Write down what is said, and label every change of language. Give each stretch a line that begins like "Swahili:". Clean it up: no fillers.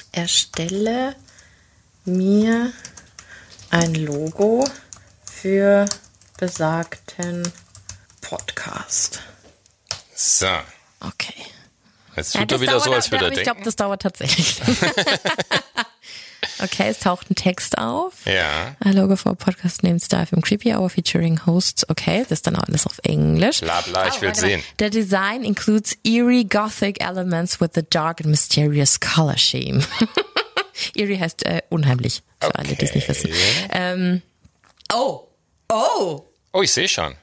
German: Erstelle mir ein Logo für besagten Podcast. So. Okay. Jetzt tut ja, er wieder so, als würde er denken. Ich glaube, das dauert tatsächlich. Okay, es taucht ein Text auf. Ja.
English: A Logo for a podcast named Style from Creepy Hour featuring hosts.
German: Okay, das ist dann auch alles auf Englisch. Bla bla, ich will sehen.
English: The design includes eerie gothic elements with a dark and mysterious color scheme.
German: Eerie heißt unheimlich, für okay. alle, die es nicht wissen. Oh, ich sehe schon.